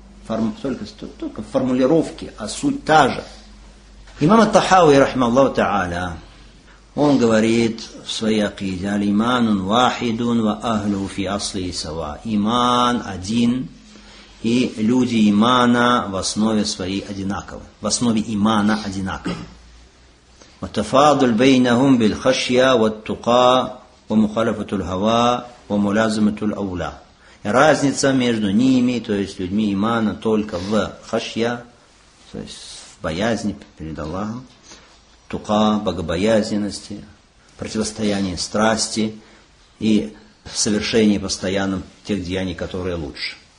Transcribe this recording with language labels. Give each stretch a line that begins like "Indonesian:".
Russian: Только формулировки, а суть та же. Имам ат-Тахави, рахмаллаху та'аля, он говорит в своей акиде,
Arabic: «Алиманун вахидун ва ахлю фи асли и сава».
Russian: Иман один, и люди имана в основе своей одинаковы. В основе имана одинаковы.
Arabic: وتفاضل بينهم بالخشية والتقى ومخالفة الهوى وملازمة الأولى.
Russian: Разница между ними, то есть людьми имана, только в хашья, то есть в боязни перед Аллахом, тука, богобоязненности, противостояние страсти и совершение постоянно тех деяний, которые лучше.